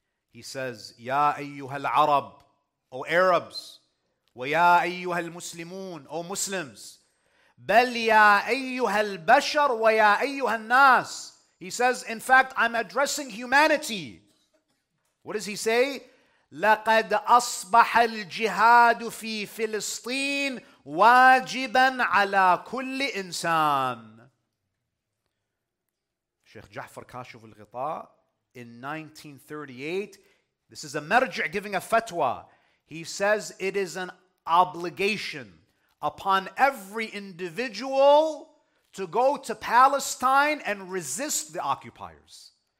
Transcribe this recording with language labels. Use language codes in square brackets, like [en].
[en] He says, [ar] Ya ayyuhal Arab, [en] O Arabs, [ar] wa ya ayyuhal Muslimun, [en] O Muslims, [ar] bal ya ayyuhal Bashar wa ya ayyuhal Nas. [en] He says, in fact, I'm addressing humanity. What does he say? [ar] لقد أصبح الجهاد في فلسطين واجبا على كل إنسان. [en] Sheikh Ja'far Kashif al-Ghita, in 1938, this is a marja' giving a fatwa. He says it is an obligation upon every individual to go to Palestine and resist the occupiers.